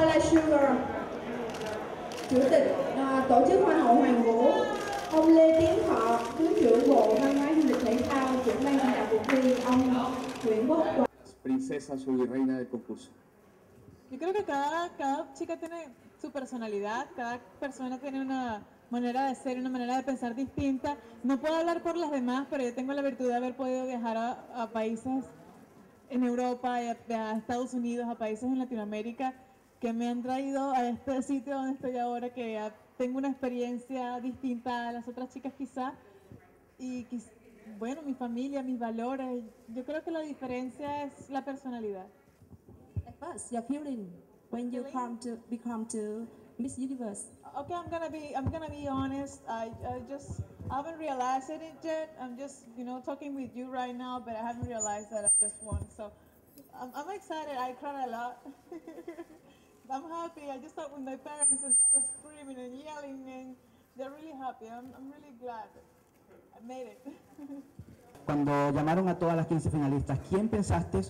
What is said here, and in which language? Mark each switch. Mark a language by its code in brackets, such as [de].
[vi] Chủ tịch Tổ chức Hoa hậu Hoàn Vũ, ông Lê Tiến Thọ, Thứ trưởng Bộ Văn hóa Du lịch Thể thao, trưởng ban chỉ đạo cuộc thi, ông Nguyễn Quốc Quang. [es] Princesa soy reina del concurso. Yo creo que cada chica tiene su personalidad, cada persona tiene una manera de ser, una manera de pensar distinta. No puedo hablar por las demás, pero yo tengo la virtud de haber podido viajar a países en Europa, a Estados Unidos, a países en Latinoamérica que me han traído a este sitio donde estoy ahora, que ya tengo una experiencia distinta a las otras chicas quizá. Y bueno, mi familia, mis valores, yo creo que la diferencia es la personalidad. [en] What's your feeling when you become to Miss Universe? Okay, I'm gonna be honest. I haven't realized it yet. I'm just, you know, talking with you right now, but I haven't realized that I just won. So I'm excited. I cried a lot. I'm happy. I just talked with my parents and they're screaming and yelling and they're really happy. I'm really glad I made it. [es] Cuando llamaron a todas las 15 finalistas, ¿quién pensaste?